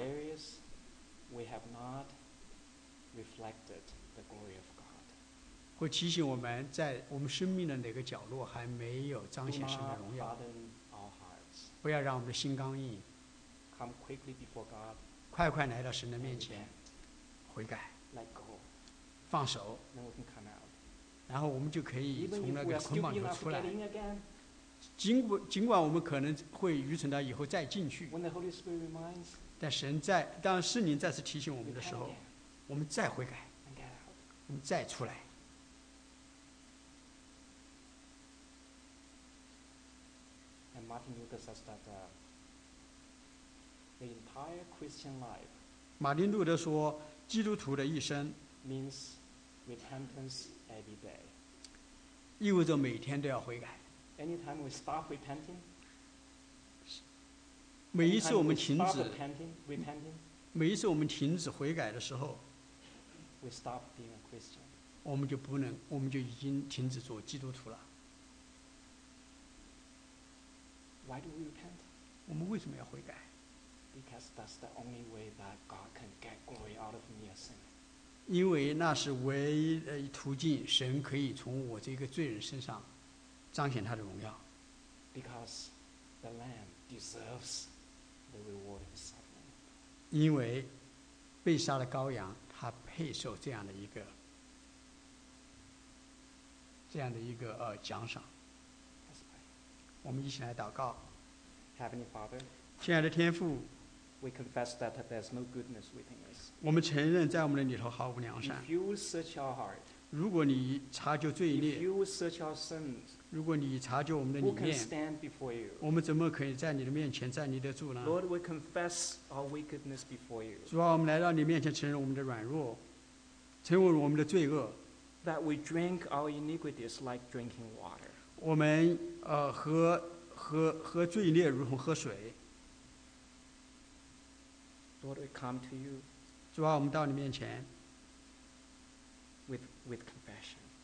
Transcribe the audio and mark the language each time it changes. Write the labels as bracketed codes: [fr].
[en] The areas we have not reflected the glory of God. [zh] 会提醒我们在我们生命的哪个角落还没有彰显神的荣耀。 [en] Do not harden our hearts. [zh] 不要让我们的心刚硬。 [en] Come quickly before God. [zh] 快快来到神的面前，悔改。 [en] Let go. [zh] 放手。 [en] Then we can come out. [zh] 然后我们就可以从那个捆绑中出来。 [en] Even if we are still not getting in again. [zh] 尽管我们可能会愚蠢到以后再进去，但神在当圣灵再次提醒我们的时候，我们再悔改，我们再出来。 [en] And Martin Luther says that the entire Christian life, [zh] 马丁路德说，基督徒的一生 [en] means repentance every day, [zh] 意味着每天都要悔改。 [en] Anytime we stop repenting, [zh] 每一次我们停止 [en] repenting, [zh] 每一次我们停止悔改的时候 [en] we stop being a Christian. [zh] 我们就不能，我们就已经停止做基督徒了。 [en] Why do we repent? [zh] 我们为什么要悔改？ [en] Because that's the only way that God can get glory out of me as a sinner. [zh] 因为那是唯一的途径，神可以从我这个罪人身上彰显他的荣耀。 [en] Because the Lamb deserves the reward of suffering. [zh] 因为被杀的羔羊，他配受这样的一个奖赏。 [en] Let's pray. [zh] 我们一起来祷告。 [en] Heavenly Father, [zh] 亲爱的天父 [en] ，We confess that there's no goodness within us. [zh] 我们承认在我们的里头毫无良善。 [en] If you search our heart. [zh] 如果你查究罪孽 [en] sins, [zh] 如果你查究我们的里面 [en] who can stand before you? [zh] 我们怎么可以在你的面前站立得住呢 [en] Lord, we confess our wickedness before you. [zh] 主啊我们来到你面前承认我们的软弱承认我们的罪恶 [en] That we drink our iniquities like drinking water. [zh] 我们和罪孽如同喝水 [en] Lord, we come to you. [zh] 主啊我们到你面前 [en] With confession,